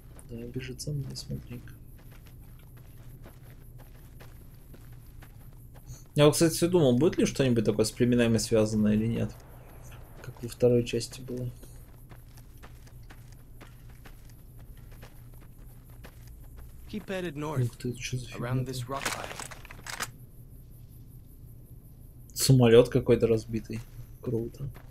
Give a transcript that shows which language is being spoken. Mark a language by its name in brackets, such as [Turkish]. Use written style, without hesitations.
[Russian] Да, бежит сам, не смотри-ка. Я, кстати, все думал, будет ли что-нибудь такое с племенами связано или нет. Как во второй части было. [English] Keep headed north, around this rock pile. [Russian] Самолет какой-то разбитый. Круто.